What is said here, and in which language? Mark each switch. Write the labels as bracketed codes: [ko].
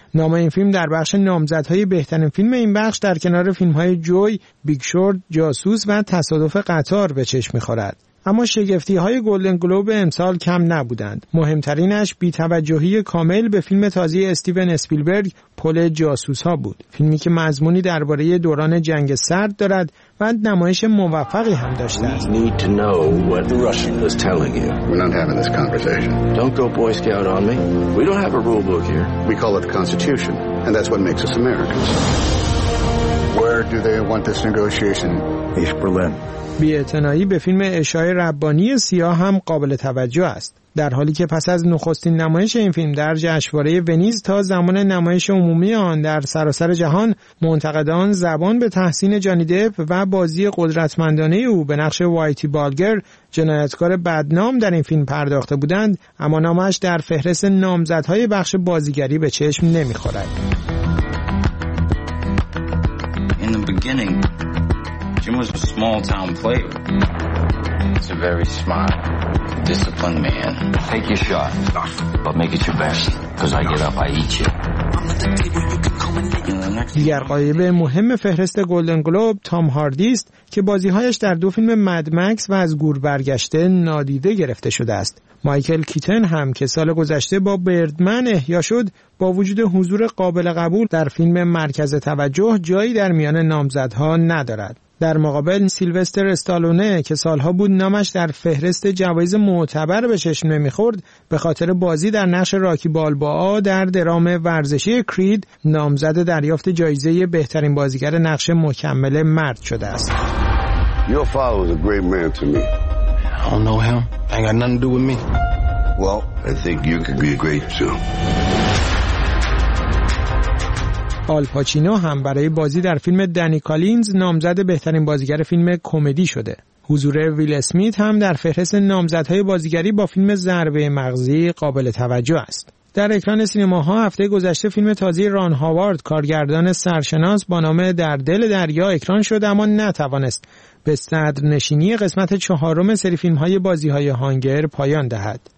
[fa] نام این فیلم در بخش نامزدهای بهترین فیلم این بخش در کنار فیلم‌های جوی، بیگ شورت، جاسوس و تصادف قطار به چشم می‌خورد. اما شگفتی‌های گلدن گلوب امسال کم نبودند. مهمترینش بی‌توجهی کامل به فیلم تازه استیون اسپیلبرگ پل جاسوس‌ها بود. فیلمی که مضمونی درباره دوران جنگ سرد دارد و نمایش موفقی هم داشته است. [en] We need to know what the Russian is telling you. We're not having this conversation. Don't go boy scout on me. We don't have a rule book here. We call it the Constitution, and that's what makes us Americans. Where do they want this negotiation? East Berlin. [fa] بی‌اعتنایی به فیلم اشای ربانی سیاه هم قابل توجه است. در حالی که پس از نخستین نمایش این فیلم در جشنواره ونیز تا زمان نمایش عمومی آن در سراسر جهان، منتقدان زبان به تحسین جانی دپ و بازی قدرتمندانه او به نقش وایتی بالگر، جنایتکار بدنام در این فیلم پرداخته بودند، اما نامش در فهرست نامزدهای بخش بازیگری به چشم نمی‌خورد. [en] In the beginning, Jim was a small-town player. He's a very smart, disciplined man. Take your shot, but make it your best, because I get up, I eat you. [fa] دیگر قایب مهم فهرست گلدن گلوب تام هاردی است که بازیهایش در دو فیلم مد مکس و از گور برگشته نادیده گرفته شده است. مایکل کیتن هم که سال گذشته با بردمن احیا شد، با وجود حضور قابل قبول در فیلم مرکز توجه جایی در میان نامزدها ندارد. در مقابل سیلوستر استالونه که سالها بود نامش در فهرست جوایز معتبر به چشم نمی‌خورد، به خاطر بازی در نقش راکی بالبا در درام ورزشی کرید نامزد دریافت جایزه بهترین بازیگر نقش مکمل مرد شده است. [en] Your father was a great man to me. I don't know him. I ain't got nothing to do with me. Well, I think you could be great too. [fa] آل پاچینو هم برای بازی در فیلم دنی کالینز نامزد بهترین بازیگر فیلم کمدی شده. حضور ویل اسمیت هم در فهرست نامزدهای بازیگری با فیلم ضربه مغزی قابل توجه است. در اکران سینماها هفته گذشته فیلم تازه ران هاوارد کارگردان سرشناس با نام در دل دریا اکران شد، اما نتوانست به صدر نشینی قسمت چهارم سری فیلم‌های بازی‌های هانگر پایان دهد.